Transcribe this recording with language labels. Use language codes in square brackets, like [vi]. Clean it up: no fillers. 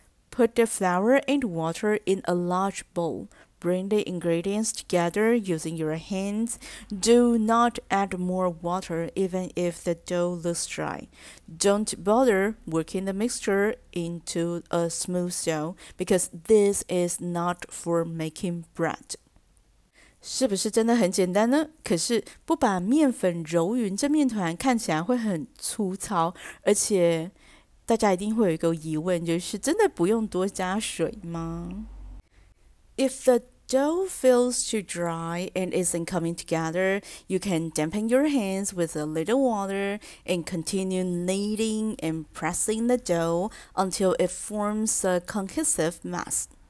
[en] Put the flour and water in a large bowl. Bring the ingredients together using your hands. Do not add more water, even if the dough looks dry. Don't bother working the mixture into a smooth dough because this is not for making bread. [zh] 是不是真的很简单呢？可是不把面粉揉匀，这面团看起来会很粗糙，而且大家一定会有一个疑问，就是真的不用多加水吗？ [en] If the dough feels too dry and isn't coming together, you can dampen your hands with a little water and continue kneading and pressing the dough until it forms a cohesive mass.